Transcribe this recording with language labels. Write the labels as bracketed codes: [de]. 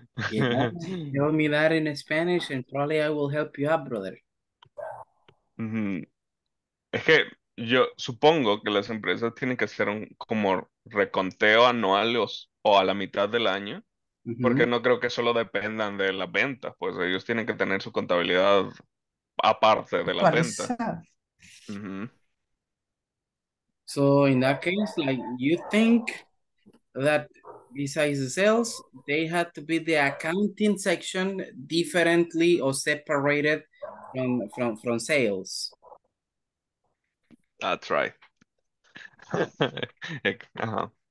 [en] Yeah, tell me that in Spanish and probably I will help you out, brother. Mm-hmm. [es] Es que yo supongo que las empresas tienen que hacer un como reconteo anual o a la mitad del año. Mm-hmm. Porque no creo que solo dependan de las ventas, pues ellos tienen que tener su contabilidad aparte de las ventas. Mm-hmm. [en] So in that case, like, you think that besides the sales, they had to be the accounting section differently or separated from sales. That's right. Uh-huh.